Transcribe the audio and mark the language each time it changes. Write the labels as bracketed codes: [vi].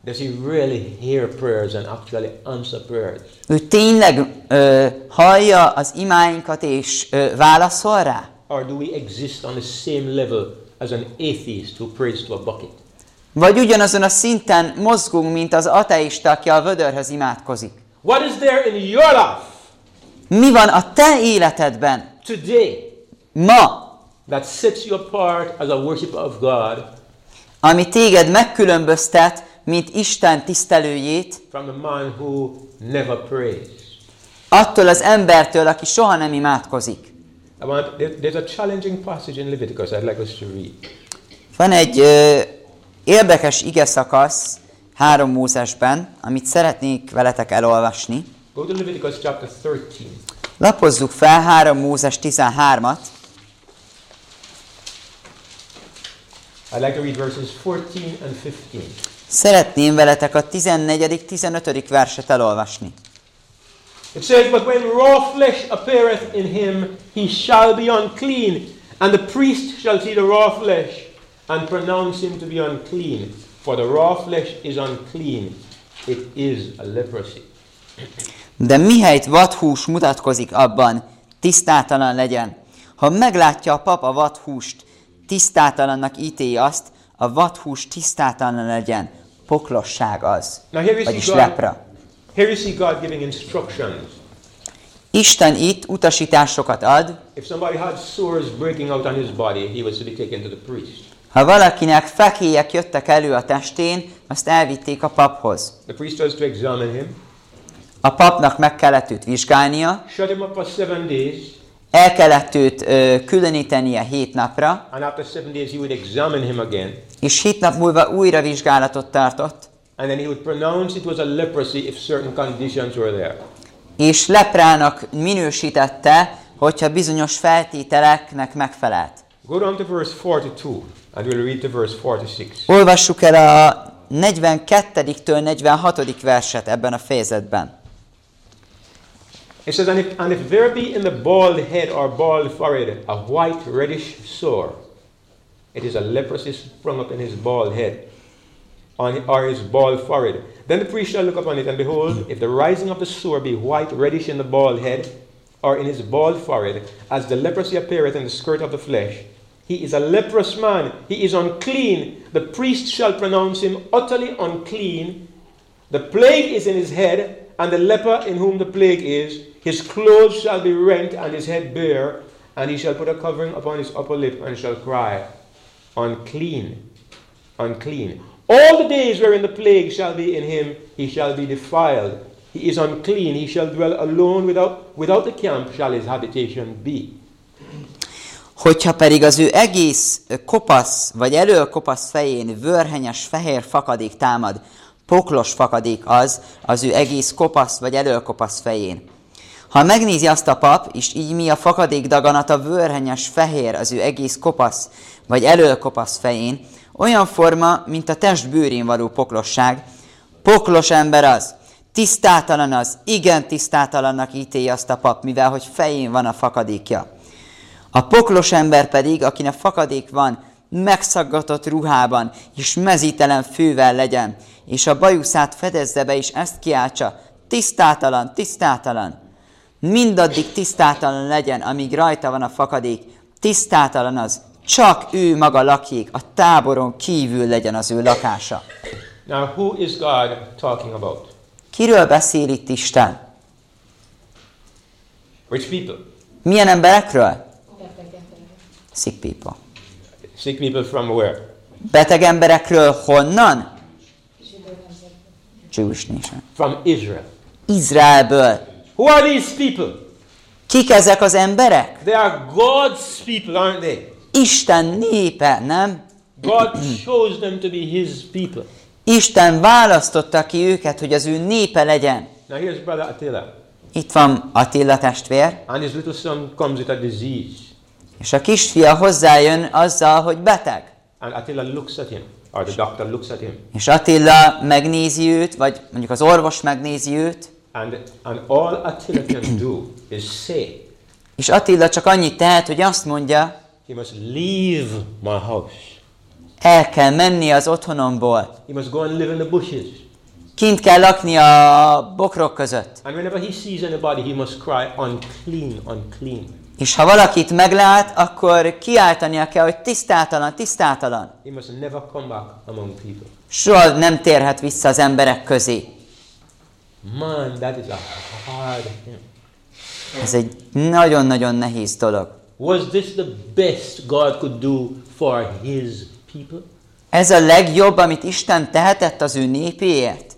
[en] Does he really hear prayers and actually answer prayers? [hu] Ő tényleg hallja az imáinkat és válaszol rá? [en] Or do we exist on the same level as an atheist who prays to a bucket? [hu] Vagy ugyanazon a szinten mozgunk, mint az ateista, aki a vödörhöz imádkozik? [en] What is there in your life? [hu] Mi van a te életedben? [en] Today. [hu] Ma. [en] That sets you apart as a worshipper of God. [hu] Ami téged megkülönböztet, mint Isten tisztelőjét. [en] From the man who never prays. [hu] Attól az embertől, aki soha nem imádkozik. [en] There's a challenging passage in Leviticus I'd like us to read. [hu] Van egy érdekes igeszakasz 3 Mózesben, amit szeretnék veletek elolvasni. [en] Go to Leviticus chapter 13. [hu] Lapozzuk fel 3 Mózes 13-at. [en] I'd like to read verses 14 and 15. [hu] Szeretném veletek a 14. 15. verset elolvasni. [en] It says, but when raw flesh appeareth in him, he shall be unclean, and the priest shall see the raw flesh, and pronounce him to be unclean, for the raw flesh is unclean. It is a leprosy. [hu] De mihelyt vadhús mutatkozik abban, tisztátalan legyen. Ha meglátja a pap a vadhúst, tisztátalannak ítélj azt, a vadhús tisztátalan legyen, poklosság az, vagyis lepra. [en] Here you see God giving instructions. [hu] Isten itt utasításokat ad. [en] If somebody had sores breaking out on his body, he was to be taken to the priest. [hu] Ha valakinek fekélyek jöttek elő a testén, azt elvitték a paphoz. [en] The priest was to examine him. [hu] A papnak meg kellett őt vizsgálnia. [en] Shut him up for 7 days. [hu] El kellett őt különítenie 7 napra. [en] And after 7 days he would examine him again. [hu] És 7 nap múlva újra vizsgálatot tartott. [en] And then he would pronounce it was a leprosy if certain conditions were there. [hu] És leprának minősítette, hogyha bizonyos feltételeknek megfelelt. [en] Go on to verse 42 and we'll read to verse 46. [hu] Olvassuk el a 42-től 46. verset ebben a fejezetben. [en] It says, and if there be in the bald head or bald forehead a white reddish sore, it is a leprosy sprung up in his bald head or his bald forehead. Then the priest shall look upon it, and behold, if the rising of the sore be white reddish in the bald head or in his bald forehead, as the leprosy appeareth in the skirt of the flesh, he is a leprous man, he is unclean. The priest shall pronounce him utterly unclean. The plague is in his head, and the leper in whom the plague is, his clothes shall be rent and his head bare, and he shall put a covering upon his upper lip and shall cry, unclean, unclean. All the days wherein the plague shall be in him, he shall be defiled. He is unclean, he shall dwell alone without the camp shall his habitation be. [hu] Hogyha pedig az ő egész kopasz, vagy elől kopasz fején vörhenyes fehér fakadék támad, poklos fakadék az ő egész kopasz, vagy elől kopasz fején. Ha megnézi azt a pap, és így mi a fakadék daganata vörhenyes fehér az ő egész kopasz, vagy elől kopasz fején, olyan forma, mint a test bőrén való poklosság, poklos ember az, tisztátalan az, igen tisztátalannak ítéli azt a pap, mivel hogy fején van a fakadékja. A poklos ember pedig, akinek fakadék van, megszaggatott ruhában és mezítelen fővel legyen, és a bajuszát fedezze be, és ezt kiáltsa, tisztátalan, tisztátalan. Mindaddig tisztátalan legyen, amíg rajta van a fakadék, tisztátalan az, csak ő maga lakjék, a táboron kívül legyen az ő lakása. [en] Now, who is God talking about? [hu] Kiről beszél itt Isten? [en] Which people? [hu] Milyen emberekről? [en] Sick people. Sick people from where? [hu] Beteg emberekről honnan? [en] Jewish nation. From Israel. [hu] Izraelből. [en] Who are these people? [hu] Kik ezek az emberek? [en] They are God's people, aren't they? [hu] Isten népe, nem? [en] God chose them to be his people. [hu] Isten választotta ki őket, hogy az ő népe legyen. [en] Now here's brother Attila. [hu] Itt van Attila testvér. [en] And his little son comes with a disease. [hu] És a kisfia hozzájön azzal, hogy beteg. [en] And Attila looks at him, or the doctor looks at him. [hu] És Attila megnézi őt, vagy mondjuk az orvos megnézi őt. [en] And all Attila can do is say. [hu] És Attila csak annyit tehet, hogy azt mondja. [en] He must leave my house. [hu] El kell menni az otthonomból. [en] He must go and live in the bushes. [hu] Kint kell lakni a bokrok között. [en] And whenever he sees anybody, he must cry unclean, unclean. [hu] És ha valakit meglát, akkor kiáltania kell, hogy tisztátalan, tisztátalan. [en] He must never come back among people. [hu] Soha nem térhet vissza az emberek közé. [en] Man, that is a hard thing. [hu] Ez egy nagyon-nagyon nehéz dolog. [en] Was this the best God could do for his people? [hu] Ez a legjobb, amit Isten tehetett az ő népéért?